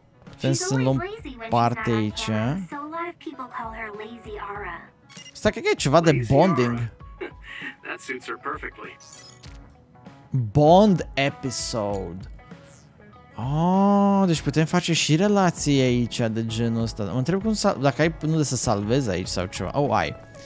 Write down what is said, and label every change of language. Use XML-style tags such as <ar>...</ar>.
<ro>Putem să luăm parte aici.</ro> <en>So a lot of people call her lazy Ara.</en> <ro>Asta cred că e ceva de bonding.</ro> <en>That suits her perfectly. Bond episode.</en> <ro>Oh, deci putem face și relații aici de genul ăsta. Mă întreb cum dacă ai unul de să salvezi aici sau ceva. Oh, ai.</ro>